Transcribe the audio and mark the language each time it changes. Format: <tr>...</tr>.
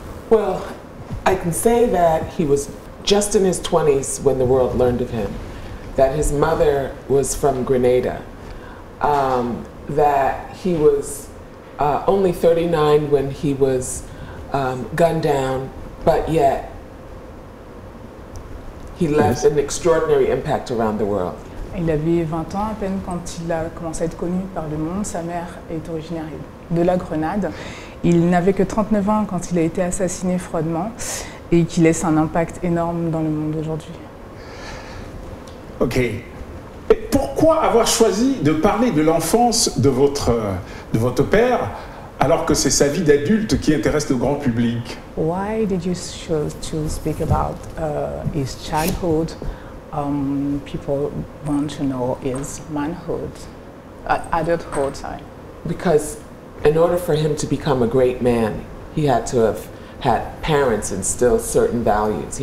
<en>Well, I can say that he was just in his 20s when the world learned of him, that his mother was from Grenada, that he was only 39 when he was gunned down, but yet he left an extraordinary impact around the world.</en> <fr>Il avait 20 ans à peine quand il a commencé à être connu par le monde. Sa mère est originaire de la Grenade. Il n'avait que 39 ans quand il a été assassiné froidement. Et qui laisse un impact énorme dans le monde aujourd'hui. Ok. Et pourquoi avoir choisi de parler de l'enfance de votre père alors que c'est sa vie d'adulte qui intéresse le grand public?</fr> <en>Why did you choose to speak about his childhood? People want to know his manhood, adulthood. Sorry. Because in order for him to become a great man, he had to have had parents instill certain values.</en>